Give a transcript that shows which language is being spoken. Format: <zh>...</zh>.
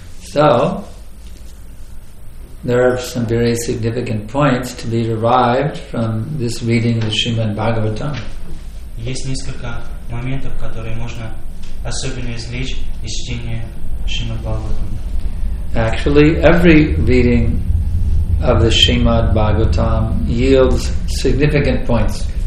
<en>So, there are some very significant points to be derived from this reading of the Srimad Bhagavatam.</en> <ru>Есть несколько моментов, которые можно особенно извлечь из чтения Шримад Бхагаватам.</ru> <en>Actually, every reading of the Srimad Bhagavatam yields significant points.</en>